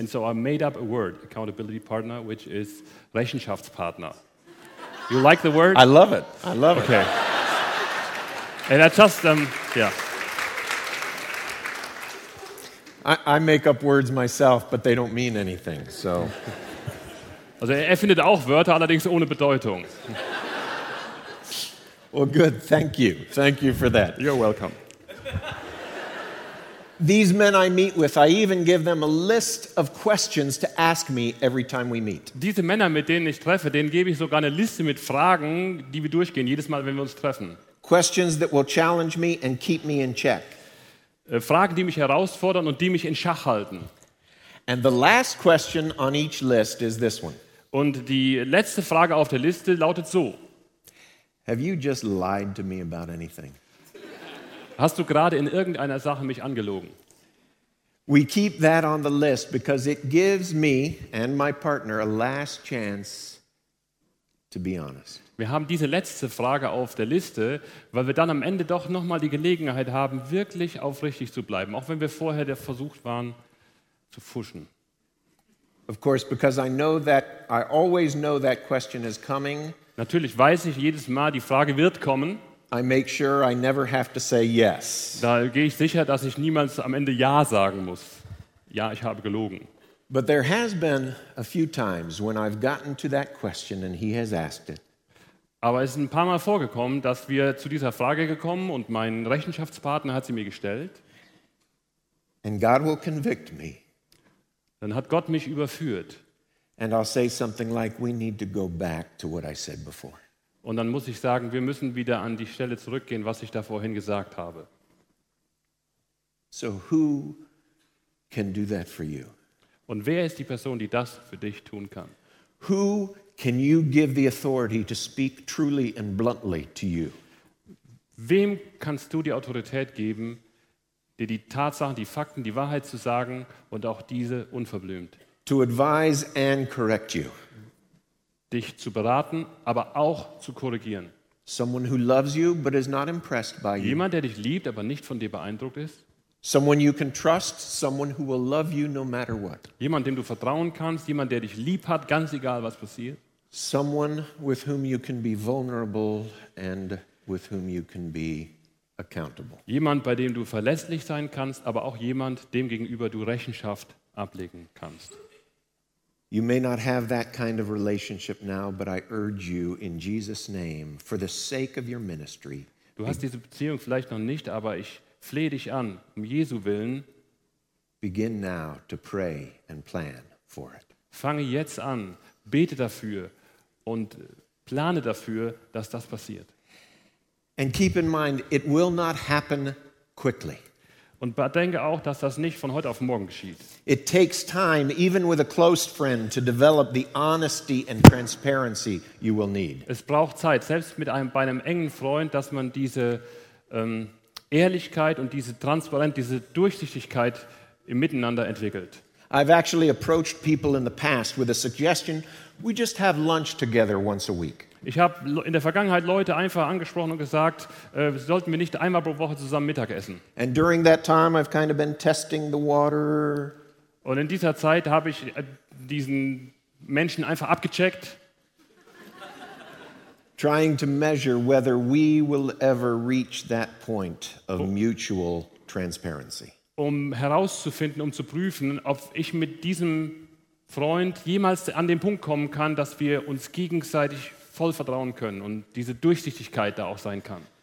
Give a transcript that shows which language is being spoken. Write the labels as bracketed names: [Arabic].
[English] And so I made up a word, accountability partner, which is Rechenschaftspartner. You like the word? I love it. Okay. And I just, yeah. I make up words myself, but they don't mean anything, so. [German] Also er findet auch Wörter, allerdings ohne Bedeutung. [English] Well, good. Thank you. Thank you for that. You're welcome. These men I meet with, I even give them a list of questions to ask me every time we meet. [German] Diese Männer, mit denen ich treffe, denen gebe ich sogar eine Liste mit Fragen, die wir durchgehen, jedes Mal, wenn wir uns treffen. [English] Questions that will challenge me and keep me in check. [German] Fragen, die mich herausfordern und die mich in Schach halten. [English] And the last question on each list is this one. [German] Und die letzte Frage auf der Liste lautet so. [English] Have you just lied to me about anything? [German] Hast du gerade in irgendeiner Sache mich angelogen? [English] We keep that on the list because it gives me and my partner a last chance to be honest. [German] Wir haben diese letzte Frage auf der Liste, weil wir dann am Ende doch nochmal die Gelegenheit haben, wirklich aufrichtig zu bleiben, auch wenn wir vorher der Versuch waren, zu fuschen. [English] Of course, because I know that, I always know that question is coming. [German] Natürlich weiß ich jedes Mal, die Frage wird kommen. [English] I make sure I never have to say yes. [German] Da gehe ich sicher, dass ich niemals am Ende ja sagen muss. Ja, ich habe gelogen. [English] But there has been a few times when I've gotten to that question and he has asked it. [German] Aber es ist ein paar Mal vorgekommen, dass wir zu dieser Frage gekommen und mein Rechenschaftspartner hat sie mir gestellt. [English] And God will convict me. [German] Dann hat Gott mich überführt. [English] And I'll say something like, we need to go back to what I said before. [German] Und dann muss ich sagen, wir müssen wieder an die Stelle zurückgehen, was ich da vorhin gesagt habe. [English] So who can do that for you? [German] Und wer ist die Person, die das für dich tun kann? [English] Who can you give the authority to speak truly and bluntly to you? [German] Wem kannst du die Autorität geben, dir die Tatsachen, die Fakten, die Wahrheit zu sagen und auch diese unverblümt? [English] To advise and correct you. [German] Dich zu beraten, aber auch zu korrigieren. [English] Someone who loves you but is not impressed by you. [German] Jemand, der dich liebt, aber nicht von dir beeindruckt ist. [English] Someone you can trust, someone who will love you no matter what. [German] Jemand, dem du vertrauen kannst, jemand, der dich lieb hat, ganz egal was passiert. [English] Someone with whom you can be vulnerable and with whom you can be accountable. [German] Jemand, bei dem du verlässlich sein kannst, aber auch jemand, dem gegenüber du Rechenschaft ablegen kannst. [English] You may not have that kind of relationship now, but I urge you in Jesus' name for the sake of your ministry. [German] Du hast diese Beziehung vielleicht noch nicht, aber ich flehe dich an, um Jesu willen. [English] Begin now to pray and plan for it. [German] Fange jetzt an, bete dafür und plane dafür, dass das passiert. [English] And keep in mind, it will not happen quickly. [German] Und bedenke auch, dass das nicht von heute auf morgen geschieht. [English] It takes time, even with a close friend, to develop the honesty and transparency you will need. [German] Es braucht Zeit, selbst mit einem, bei einem engen Freund, dass man diese Ehrlichkeit und diese Transparenz, diese Durchsichtigkeit im Miteinander entwickelt. [English] I've actually approached people in the past with a suggestion, we just have lunch together once a week. [German] Ich habe in der Vergangenheit Leute einfach angesprochen und gesagt, sollten wir nicht einmal pro Woche zusammen Mittag essen? [English] And during that time I've kind of been testing the water. [German] Und in dieser Zeit habe ich diesen Menschen einfach abgecheckt. [English] Trying to measure whether we will ever reach that point of mutual transparency. [German] Um herauszufinden, um zu prüfen, ob ich mit diesem Freund jemals an den Punkt kommen kann, dass wir uns gegenseitig voll vertrauen können und diese Durchsichtigkeit da auch sein kann.